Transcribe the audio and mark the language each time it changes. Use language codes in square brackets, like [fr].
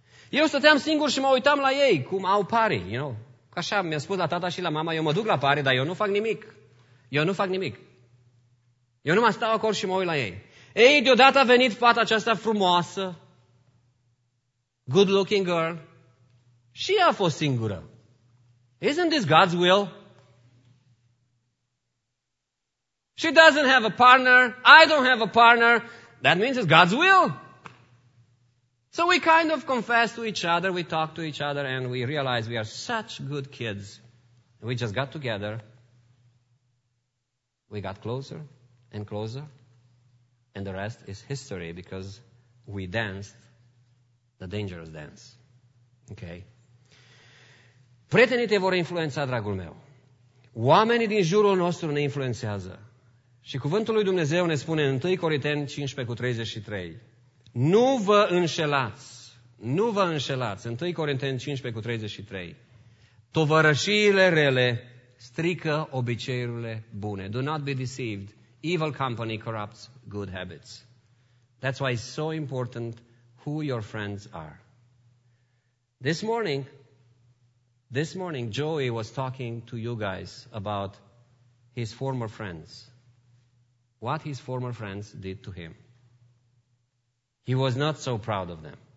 [ro] Eu stăteam singur și mă uitam la ei, cum au pari. [en] You know? [ro] Așa mi-a spus la tata și la mama, eu mă duc la pari, dar eu nu fac nimic. Eu nu fac nimic. Eu numai stau acolo și mă uit la ei. Ei, deodată a venit fata aceasta frumoasă, [en] good looking girl, [ro] și ea a fost singură. [en] Isn't this God's will? She doesn't have a partner, I don't have a partner, that means it's God's will. So we kind of confess to each other, we talk to each other, and we realize we are such good kids. We just got together, we got closer and closer, and the rest is history because we danced the dangerous dance. Okay? [ro] Prietenii te vor influența, dragul meu. Oamenii din jurul nostru ne influențează. Și cuvântul lui Dumnezeu ne spune în 1 Corinteni 15:33. Nu vă înșelați, nu vă înșelați, 1 Corinteni 15:33. Tovărășiile rele strică obiceiurile bune. [en] Do not be deceived. Evil company corrupts good habits. That's why it's so important who your friends are. This morning, Joey was talking to you guys about his former friends. What his former friends did to him. He was not so proud of them.